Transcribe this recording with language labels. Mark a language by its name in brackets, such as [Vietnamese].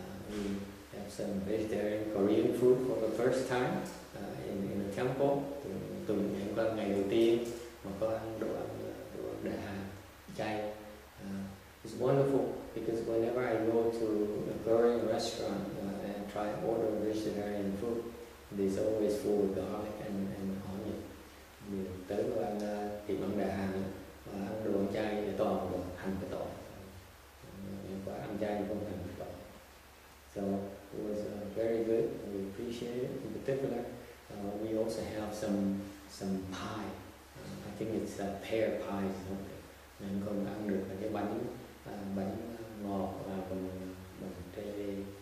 [English] We have some vegetarian Korean food for the first time in the temple. [Vietnamese] Từ ngày qua ngày đầu tiên mà có ăn đồ ăn đại hà chay. [English] It's wonderful because whenever I go to a Korean restaurant and try order vegetarian food, there's always full of garlic and onion. [Vietnamese] Mình tới đồ ăn tiệm ăn đại hà và ăn đồ ăn chay thì toàn là hành và tỏi, nhưng mà ăn chay thì không hành và tỏi. [English] So it was very good. We appreciate it. In particular, we also have some pie. I think it's a pear pie or something. [Vietnamese] Mình còn ăn được cái bánh ngọt và bằng trái cây.